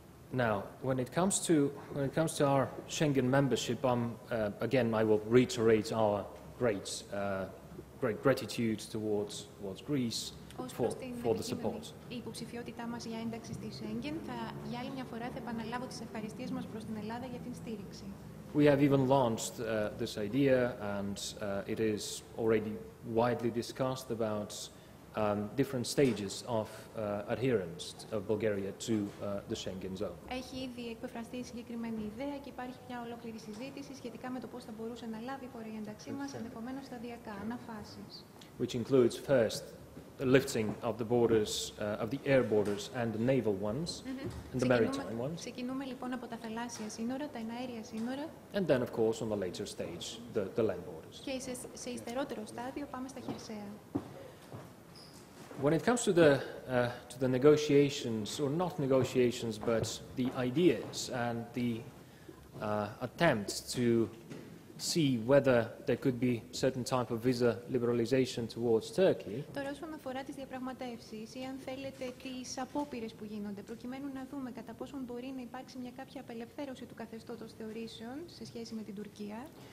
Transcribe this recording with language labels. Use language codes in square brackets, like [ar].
[en] Now, when it comes to our Schengen membership, again, I will reiterate our great, great gratitude towards Greece for the support. [el] Η υποψηφιότητά μας για ένταξη στη Σέγγεν, θα για άλλη μια φορά θα επαναλάβω τις ευχαριστίες μας προς την Ελλάδα για την στήριξη. [en] We have even launched this idea, and it is already widely discussed about different stages of adherence of Bulgaria to the Schengen zone. [el] Έχει ήδη εκφραστεί συγκεκριμένη ιδέα και υπάρχει μια ολόκληρη συζήτηση σχετικά με το πώς θα μπορούσε να λάβει η χώρα η ένταξή μας ενδεχομένως σταδιακά, ανά φάσεις. [en] Which includes first the lifting of the borders, of the air borders and the naval ones, and the maritime ones. [el] Ξεκινούμε λοιπόν από τα θαλάσσια σύνορα, τα εναέρια σύνορα. [en] And then, of course, on the later stage, the land borders. [el] Και σε υστερότερο στάδιο πάμε στα χερσαία. [en] When it comes to the negotiations, or not negotiations, but the ideas and the attempts to see whether there could be certain type of visa liberalisation towards Turkey. [el] Τώρα όσον αφορά τις διαπραγματεύσεις ή αν θέλετε τις απόπειρες που γίνονται, προκειμένου να δούμε κατά πόσον μπορεί να υπάρξει μια κάποια απελευθέρωση του καθεστώτος θεωρήσεων σε σχέση με την Τουρκία.